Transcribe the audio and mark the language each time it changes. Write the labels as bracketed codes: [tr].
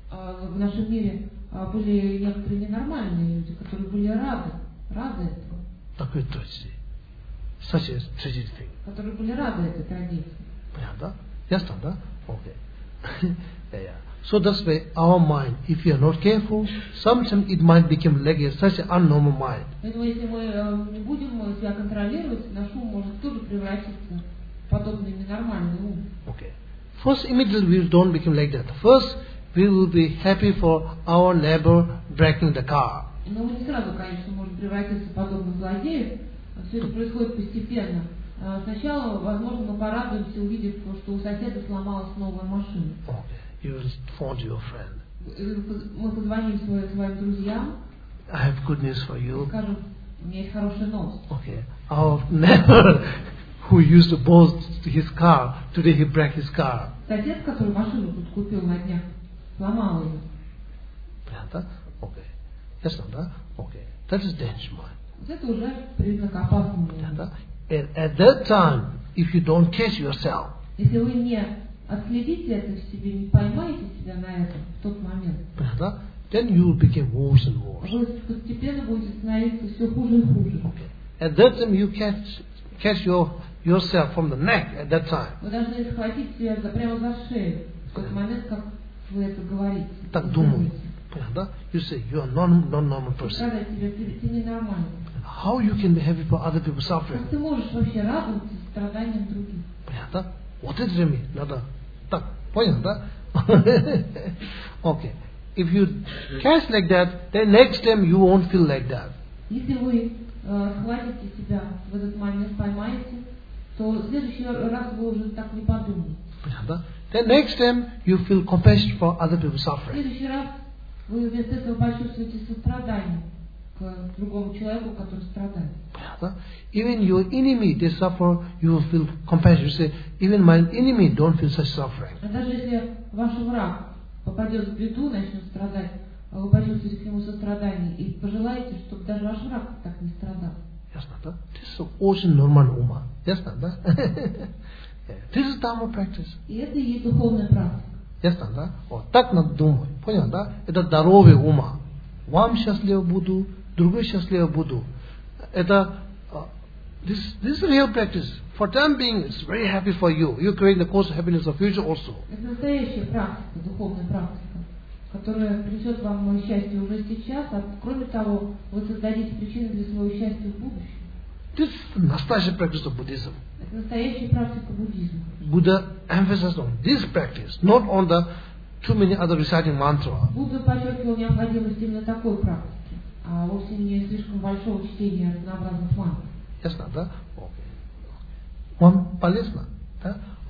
[ru] В нашем мире были некоторые ненормальные люди, которые были рады этому. Такой трагедии. [en] Such a tragic thing. [ru] Которые были рады этой трагедии. Понятно, да? Ясно, да? [en] Okay. So that's why our mind, if we are not careful, sometimes it might become like such an abnormal mind. [ru] Поэтому если мы не будем себя контролировать, наш ум может тоже превратиться подобный ненормальный ум. [en] Okay. First, immediately we don't become like that. First, we will be happy for our neighbor breaking the car. [ru] Но мы не сразу, конечно, можем превратиться в подобных злодеев. Все это происходит постепенно. Сначала, возможно, мы порадуемся, увидев, что у соседа сломалась новая машина. [en] Okay. You will phone your friend. [ru] Мы позвоним своим друзьям. [en] I have good news for you. [ru] Скажем, у меня есть хорошая новость. [en] Okay. Our neighbor. who used to boast his car, today he broke his car. [ru] Сосед, который машину тут купил на днях, сломал ее. Понятно? Окей. Ясно, да? Окей. [en] That is dangerous. [ru] Это уже признак опасного. [en] At that time, if you don't catch yourself, [ru] если вы не отследите это в себе, не поймаете себя на этом в тот момент, понятно? [en] Then you will become worse and worse. [ru] Вы постепенно будете становиться все хуже и хуже. [en] Okay. At that time, you catch yourself from the neck. At that time. [ru] Вы должны схватить себя за прямо за шею в тот момент, как вы это говорите. Так думаете. Понятно? [en] You say you are non-normal person. [ru] Когда тебе ты не нормальный. [en] How you can be happy for other people suffering? [ru] Как ты можешь вообще радоваться страданиям других? Понятно? [en] What is it mean? [ru] Надо. Так, понятно, да? [en] Okay. If you catch like that, then next time you won't feel like that. [ru] Если вы схватите себя в этот момент, поймаете, то в следующий раз вы уже так не подумаете. Понятно? [en] Then next time you feel compassion for other people suffering. [ru] В следующий раз вы вместо этого почувствуете сострадание. [en] Even your enemy, they suffer, you will feel compassion. You say, even my enemy don't feel such suffering. [ru] Даже если ваш враг попадет в беду, начнет страдать, вы почувствуете к нему сострадание и пожелаете, чтобы даже ваш враг так не страдал. Ясно, да? [en] This is [ru] очень нормальный ума. Ясно, да? [en] This is dharma practice. [ru] И это и духовная практика. Ясно, да? Вот так надо думать. Понял, да? Это здоровый ума. Вам счастливо буду. Другой счастливо буду. Это [en] this is real practice. For time being, it's very happy for you. You create the course of happiness of future also. [ru] Это настоящая практика, духовная практика, которая принесет вам счастье уже сейчас, а кроме того, вы создадите причины для своего счастья в будущем. [en] This is [ru] настоящая практика [en] of Buddhism. [ru] Это настоящая практика буддизма. [en] Buddha emphasized on this practice, not on the too many other reciting mantra. [ru] Будда подчеркивал необходимость именно такой практики. А вовсе не слишком большого чтения разнообразных манг. Ясно, да? Вам полезно, да?